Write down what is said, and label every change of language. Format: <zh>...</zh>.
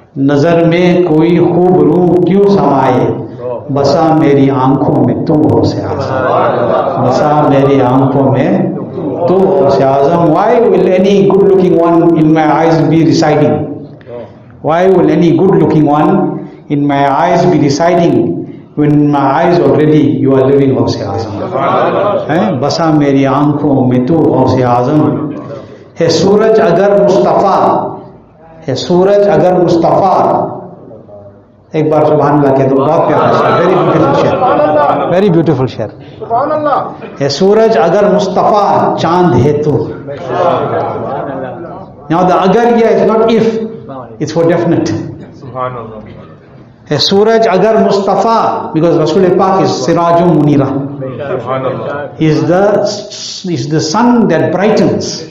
<ur>نظر میں کوئی خوب رو کیوں سمائے, بسا میری آنکھوں میں تو غوث اعظم. بسا میری آنکھوں میں تو غوث اعظم.</ur> <en>Why will any good looking one in my eyes be residing? Why will any good looking one in my eyes be residing when in my eyes already you are living Ghaus Azam.</en> <ur>بسا میری آنکھوں میں تو غوث اعظم. ہے سورج اگر مصطفیٰ, ہے سورج اگر مصطفیٰ. ایک بار سبحان اللہ کہہ دو, بہت پیارا شعر,</ur> <en>very beautiful</en> <ur>شعر, ویری بیوٹیفل شعر. ہے سورج اگر مصطفیٰ چاند ہے تو.</ur> <en>Now the</en> <ur>اگر یہ</ur> <en>is not if, it's for definite.</en> <ur>سبحان اللہ. ہے سورج اگر مصطفیٰ,</ur> <en>because</en> <ur>رسول پاک is سراج منیرہ. سبحان اللہ.</ur> <en>is the sun that brightens.</en>